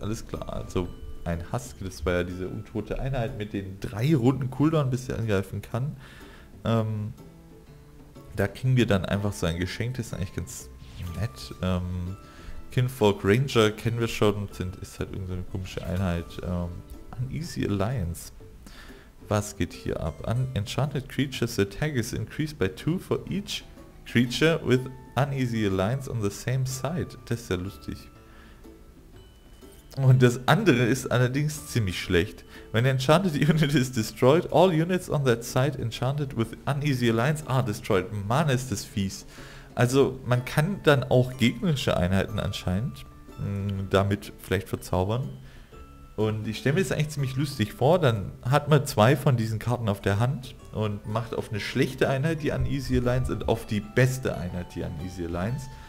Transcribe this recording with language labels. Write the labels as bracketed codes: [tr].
[de] Alles klar, also ein Husk, das war ja diese untote Einheit mit den 3 Runden Cooldown, bis sie angreifen kann. Da kriegen wir dann einfach so ein Geschenk, das ist eigentlich ganz nett. Kinfolk Ranger kennen wir schon, ist halt irgendeine komische Einheit. Uneasy Alliance. Was geht hier ab? [en] An Enchanted Creatures Attack is increased by 2 for each creature with Uneasy Alliance on the same side. [de] Das ist ja lustig. Und das andere ist allerdings ziemlich schlecht. [en] When enchanted unit is destroyed, all units on that side enchanted with uneasy alliance are destroyed. [de] Mann, ist das fies. Also man kann dann auch gegnerische Einheiten anscheinend damit vielleicht verzaubern. Und ich stelle mir das eigentlich ziemlich lustig vor. Dann hat man 2 von diesen Karten auf der Hand und macht auf eine schlechte Einheit die uneasy alliance und auf die beste Einheit die uneasy alliance.